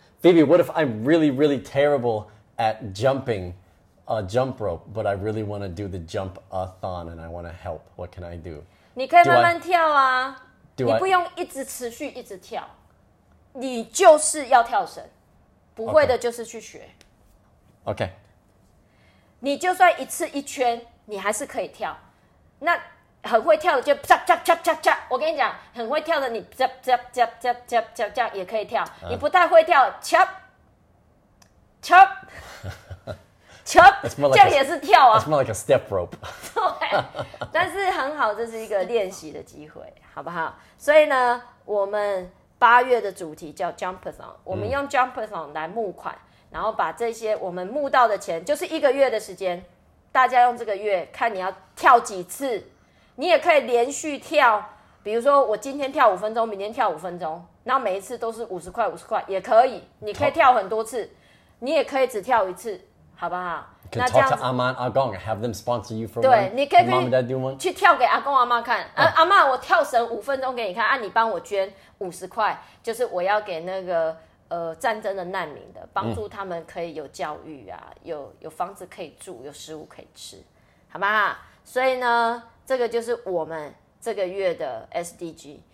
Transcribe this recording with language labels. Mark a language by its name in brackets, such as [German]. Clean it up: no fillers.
[English] Phoebe, what if I'm really, really terrible at jumping? A jump rope, but I really want to do the jump-a-thon and I want to help. What can I do? [Chinese] 你可以慢慢跳啊，你不用一直持续一直跳，你就是要跳绳，不会的就是去学。 [English] Okay. [Chinese] 你就算一次一圈，你还是可以跳。那很会跳的就啪啪啪啪啪，我跟你讲，很会跳的你啪啪啪啪啪啪啪也可以跳。你不太会跳，啪啪。这样也是跳啊 [English] ！It's more like a step rope. [Chinese] 对，但是很好，这是一个练习的机会，好不好？所以呢，我们八月的主题叫 Jumpathon， 我们用 Jumpathon 来募款，然后把这些我们募到的钱，就是一个月的时间，大家用这个月看你要跳几次，你也可以连续跳，比如说我今天跳5分钟，明天跳5分钟，那每一次都是50块50块也可以，你可以跳很多次，你也可以只跳一次。好不好？可以 [English] talk to 阿妈阿公 ，have them sponsor you for [Chinese] 对，你可以 [English] mom and dad do one [Chinese] 去跳给阿公阿妈看。啊，阿妈，我跳绳5分钟给你看，啊，你帮我捐50块，就是我要给那个战争的难民的，帮助他们可以有教育啊，有房子可以住，有食物可以吃，好不好？所以呢，这个就是我们这个月的 SDG。